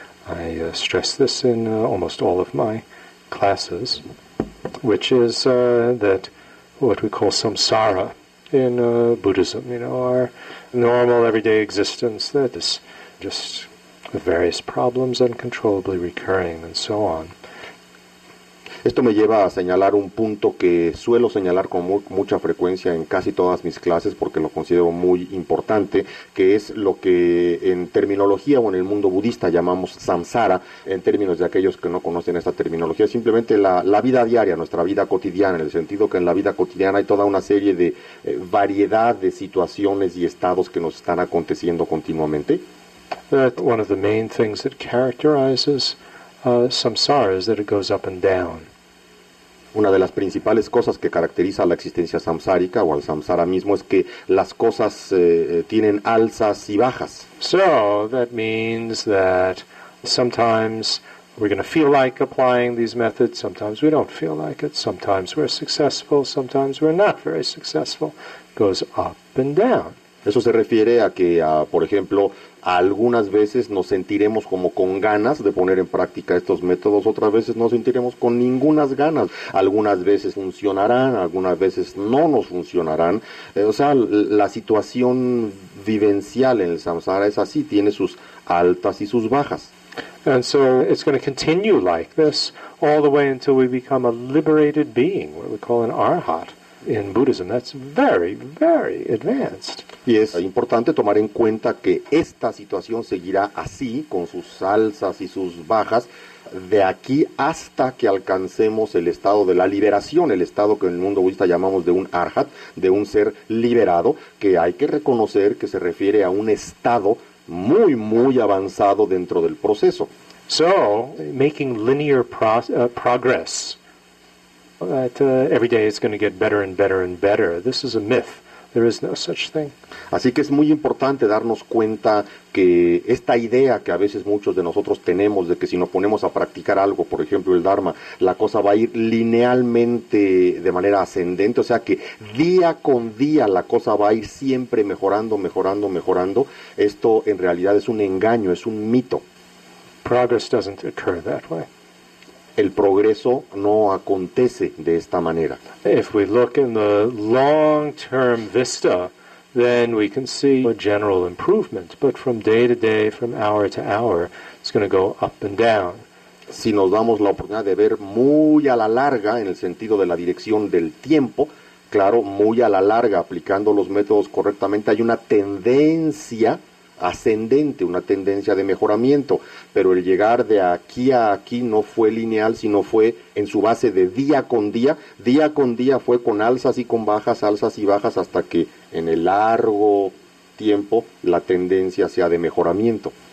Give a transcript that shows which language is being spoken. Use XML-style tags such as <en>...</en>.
<en>I stress this in almost all of my classes, which is that what we call samsara in Buddhism, you know, our normal everyday existence, that is just with various problems uncontrollably recurring and so on.</en> <es>Esto me lleva a señalar un punto que suelo señalar con mucha frecuencia en casi todas mis clases porque lo considero muy importante, que es lo que en terminología o en el mundo budista llamamos samsara, en términos de aquellos que no conocen esta terminología, simplemente la vida diaria, nuestra vida cotidiana, en el sentido que en la vida cotidiana hay toda una serie de variedad de situaciones y estados que nos están aconteciendo continuamente.</es> <en>that one of the main things that characterizes samsara is that it goes up and down.</en> <es>Una de las principales cosas que caracteriza a la existencia samsárica o al samsara mismo es que las cosas tienen alzas y bajas.</es> <en>So that means that sometimes we're going to feel like applying these methods, sometimes we don't feel like it, sometimes we're successful, sometimes we're not very successful. It goes up and down.</en> <es>Eso se refiere a que, por ejemplo, algunas veces nos sentiremos como con ganas de poner en práctica estos métodos, otras veces no sentiremos con ninguna ganas. Algunas veces funcionarán, algunas veces no nos funcionarán. O sea, la situación vivencial en el samsara es así, tiene sus altas y sus bajas.</es> <en>And so it's going to continue like this all the way until we become a liberated being, what we call an arhat. In Buddhism, that's very, very advanced.</en> <es>Y es importante tomar en cuenta que esta situación seguirá así, con sus alzas y sus bajas, de aquí hasta que alcancemos el estado de la liberación, el estado que en el mundo budista llamamos de un arhat, de un ser liberado, que hay que reconocer que se refiere a un estado muy, muy avanzado dentro del proceso.</es> <en>So, making linear progress. That every day it's going to get better and better and better. This is a myth. There is no such thing.</en> <es>Así que es muy importante darnos cuenta que esta idea que a veces muchos de nosotros tenemos de que si nos ponemos a practicar algo, por ejemplo el Dharma, la cosa va a ir linealmente de manera ascendente, o sea que día con día la cosa va a ir siempre mejorando, mejorando, mejorando. Esto en realidad es un engaño, es un mito.</es> <en>Progress doesn't occur that way.</en> <es>El progreso no acontece de esta manera.</es> <en>If we look in the long-term vista, then we can see a general improvement. But from day to day, from hour to hour, it's going to go up and down.</en> <es>Si nos damos la oportunidad de ver muy a la larga, en el sentido de la dirección del tiempo, claro, muy a la larga, aplicando los métodos correctamente, hay una tendencia ascendente, una tendencia de mejoramiento, pero el llegar de aquí a aquí no fue lineal, sino fue en su base de día con día fue con alzas y bajas, hasta que en el largo tiempo la tendencia sea de mejoramiento.</es>